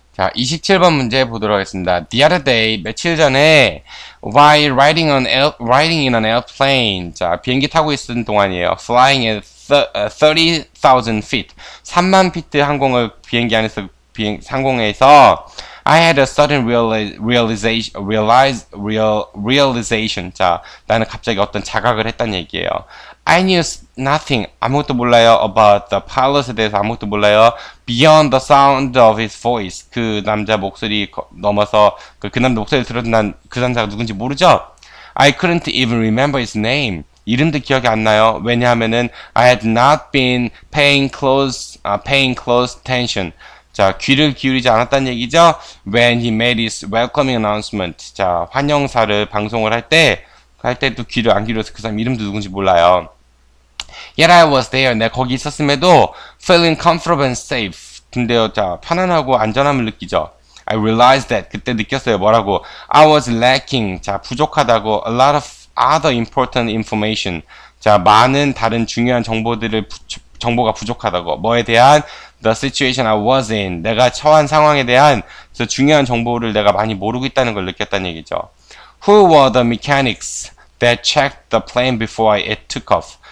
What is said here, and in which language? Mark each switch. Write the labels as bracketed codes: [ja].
[ko] 자, 27번 문제 보도록 하겠습니다. [en] The other day, [ko] 며칠 전에, [en] while riding in an airplane. [ko] 자, 비행기 타고 있었던 동안이에요. [en] Flying at 30,000 feet. [ko] 3만 피트 항공을 비행기 안에서, 항공에서, [en] I had a sudden realization. [ko] 자, 나는 갑자기 어떤 자각을 했단 얘기예요. [en] I knew nothing. [ko] 아무것도 몰라요. [en] About the pilot [ko] 에 대해서 아무것도 몰라요. [en] Beyond the sound of his voice. [ko] 그 남자 목소리 넘어서, 그 남자 목소리를 들었는데 난그 남자가 누군지 모르죠? [en] I couldn't even remember his name. [ko] 이름도 기억이 안 나요. 왜냐하면은, [en] I had not been paying close attention. [ko] 자, 귀를 기울이지 않았단 얘기죠? [en] When he made his welcoming announcement. [ko] 자, 환영사를 방송을 할 때도 귀를 안 기울여서 그 사람 이름도 누군지 몰라요. [en] Yet I was there. [ko] 내가 거기 있었음에도 [en] feeling comfortable and safe. [ko] 근데요, 자, 편안하고 안전함을 느끼죠. [en] I realized that. [ko] 그때 느꼈어요. 뭐라고? [en] I was lacking. [ko] 자, 부족하다고. [en] A lot of other important information. [ko] 자, 많은 다른 중요한 정보가 부족하다고. 뭐에 대한? [en] The situation I was in. [ko] 내가 처한 상황에 대한 그 중요한 정보를 내가 많이 모르고 있다는 걸 느꼈다는 얘기죠. [en] Who were the mechanics that checked the plane before it took off?